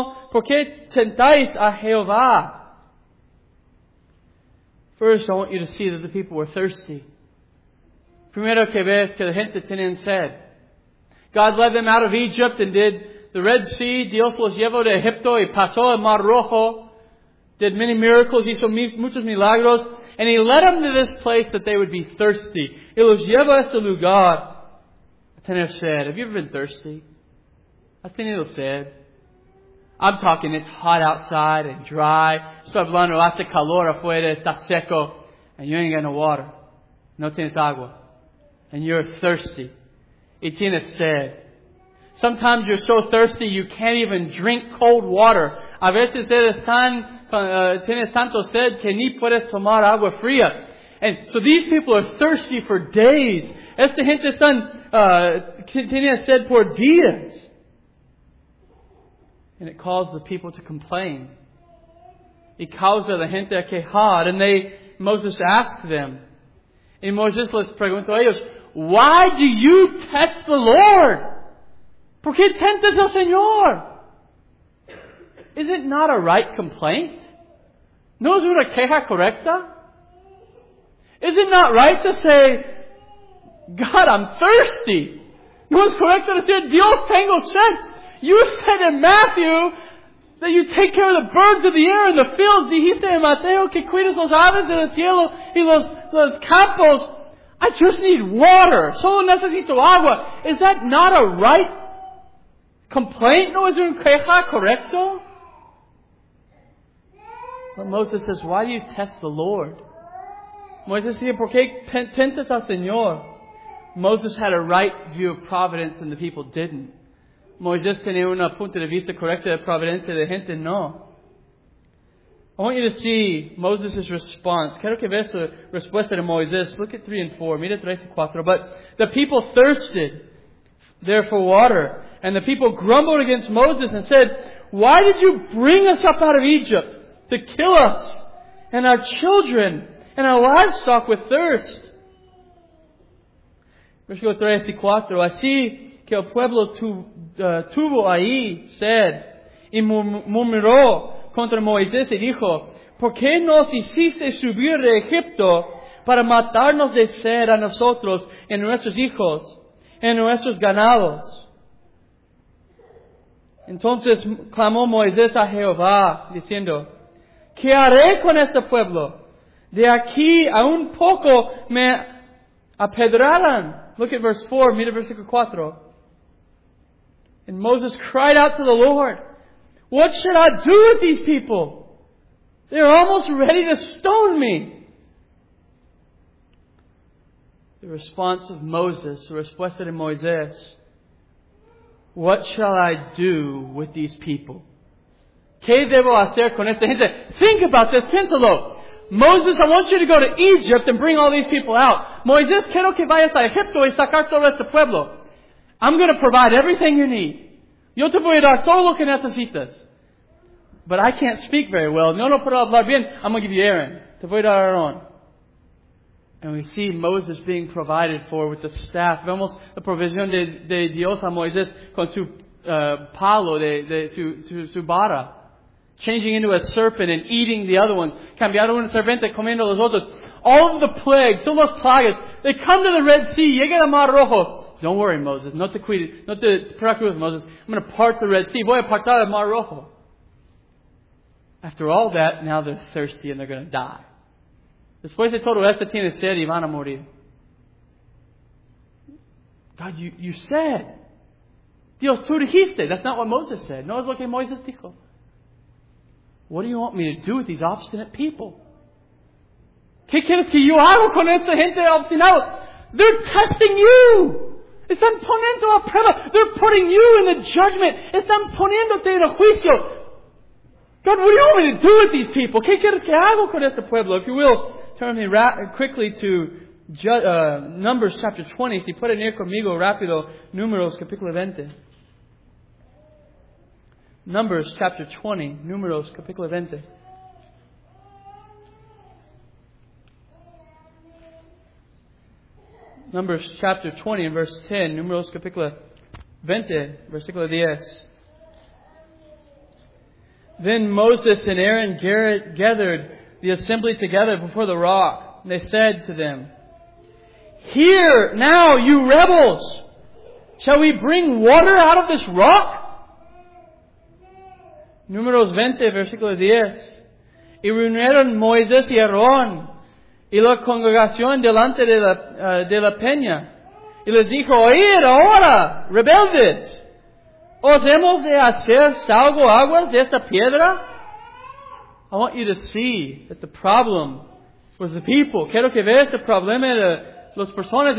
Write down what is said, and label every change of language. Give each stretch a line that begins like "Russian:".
Spanish: ¿Por qué tentáis a Jehová?
English: First, I want you to see that the people were thirsty.
Spanish: Primero que ves que la gente tenía sed.
English: God led them out of Egypt and did the Red Sea.
Spanish: Dios los llevó de Egipto y pasó el Mar Rojo.
English: Did many miracles,
Spanish: hizo muchos milagros.
English: And he led them to this place that they would be thirsty.
Spanish: Y los llevó a este lugar a tener sed.
English: Have you ever been thirsty? I've
Spanish: tenido sed.
English: I'm talking, it's hot outside and dry.
Spanish: Estoy hablando, hace calor afuera, está seco.
English: And you ain't got no water.
Spanish: No tienes agua.
English: And you're thirsty.
Spanish: Y tienes sed.
English: Sometimes you're so thirsty you can't even drink cold water.
Spanish: A veces eres tan... tienes tanto sed que ni puedes tomar agua fría.
English: And so these people are thirsty for days.
Spanish: Esta gente están tiene sed por días.
English: And it caused the people to complain.
Spanish: Y causa la gente a quejar.
English: And Moses asked them.
Spanish: Y Moses les preguntó a ellos,
English: why do you test the Lord?
Spanish: ¿Por qué tentas al Señor?
English: Is it not a right complaint?
Spanish: ¿No es una queja correcta?
English: Is it not right to say, God, I'm thirsty?
Spanish: ¿No es correcto decir, Dios, tengo sed?
English: You said in Matthew that you take care of the birds of the air and the fields.
Spanish: Dijiste en Mateo que cuidas los aves del cielo y los campos.
English: I just need water.
Spanish: Solo necesito agua.
English: Is that not a right complaint?
Spanish: ¿No es una queja correcta?
English: But Moses says, why do you test the Lord? Moses said,
Spanish: ¿por qué tentas al Señor?
English: Moses had a right view of providence and the people didn't.
Spanish: Moses tenía una punto de vista correcta de providencia y la gente no.
English: I want you to see Moses' response.
Spanish: Quiero que veas la respuesta de Moisés.
English: Look at 3 and 4.
Spanish: Mira 3 y 4.
English: But the people thirsted there for water. And the people grumbled against Moses and said, why did you bring us up out of Egypt to kill us and our children and our livestock with thirst?
Spanish: Versículo 3 y 4. Así que el pueblo tuvo ahí sed y murmuró contra Moisés y dijo, ¿por qué nos hiciste subir de Egipto para matarnos de sed a nosotros y nuestros hijos y nuestros ganados? Entonces clamó Moisés a Jehová diciendo, ¿qué haré con este pueblo? De aquí a un poco me apedrarán.
English: Look at verse 4,
Spanish: mira versículo 4.
English: And Moses cried out to the Lord, What should I do with these people? They're almost ready to stone me. The response of Moses, the
Spanish: respuesta de Moisés,
English: what shall I do with these people?
Spanish: ¿Qué debo hacer con esta gente?
English: Think about this,
Spanish: piénsalo.
English: Moses, I want you to go to Egypt and bring all these people out.
Spanish: Moisés, quiero que vayas a Egipto y sacar todo este pueblo.
English: I'm going to provide everything you need.
Spanish: Yo te voy a dar todo lo que necesitas.
English: But I can't speak very well.
Spanish: No, no puedo hablar bien.
English: I'm going to give you Aaron.
Spanish: Te voy a dar Aaron.
English: And we see Moses being provided for with the staff.
Spanish: Vemos la provisión de Dios a Moisés con su palo, su vara.
English: Changing into a serpent and eating the other ones.
Spanish: Cambiaron una serpiente comiendo los otros.
English: All of the plagues,
Spanish: todas las plagas,
English: they come to the Red Sea,
Spanish: llegan al Mar Rojo.
English: Don't worry, Moses. Not to preoccupy with Moses. I'm going to part the Red Sea.
Spanish: Voy a partar el Mar Rojo.
English: After all that, now they're thirsty and they're going to die.
Spanish: Después de todo esto tiene sed y van a morir.
English: God, you said.
Spanish: Dios, tú dijiste.
English: That's not what Moses said.
Spanish: No es lo que Moisés dijo.
English: What do you want me to do with these obstinate people?
Spanish: ¿Qué quieres que yo haga con esta gente obstinada?
English: They're testing you.
Spanish: Están poniendo a prueba.
English: They're putting you in the judgment.
Spanish: Están poniéndote en el juicio.
English: God, what do you want me to do with these people?
Spanish: ¿Qué quieres que haga con este pueblo?
English: If you will, turn me quickly to Numbers chapter 20.
Spanish: Si pueden ir conmigo rápido, Números capítulo 20.
English: Numbers chapter 20,
Spanish: Números capítulo 20.
English: Numbers chapter 20 and verse 10,
Spanish: Números capítulo 20, versículo 10.
English: Then Moses and Aaron gathered the assembly together before the rock. They said to them, "Hear now, you rebels! Shall we bring water out of this rock?"
Spanish: Números 20, versículo 10. Y reunieron Moisés y Aarón y la congregación delante de la peña. Y les dijo, "Oíd ahora, rebeldes! ¿Os hemos de hacer salgo aguas de esta piedra?"
English: I want you to see that the problem was the people.
Spanish: Quiero que veas el problema de las personas.